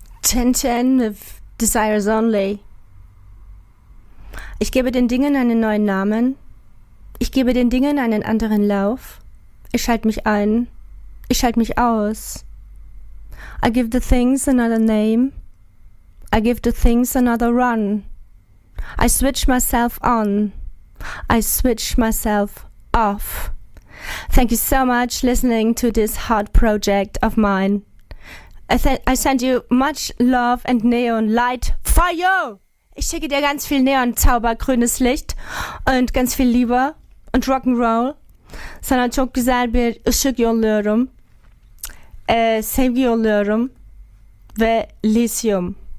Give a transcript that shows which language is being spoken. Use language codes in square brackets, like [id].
[en] Tintin with Desires Only. [de] Ich gebe den Dingen einen neuen Namen. Ich gebe den Dingen einen anderen Lauf. Ich schalte mich ein. Ich schalte mich aus. [en] I give the things another name. I give the things another run. I switch myself on. I switch myself off. Thank you so much listening to this hard project of mine. I send you much love and neon light fire. [de] Ich schicke dir ganz viel neon zauber grünes Licht und ganz viel Liebe und Rock'n'Roll. [tr] Sana çok güzel bir ışık yolluyorum. Sevgi yolluyorum ve lisyum.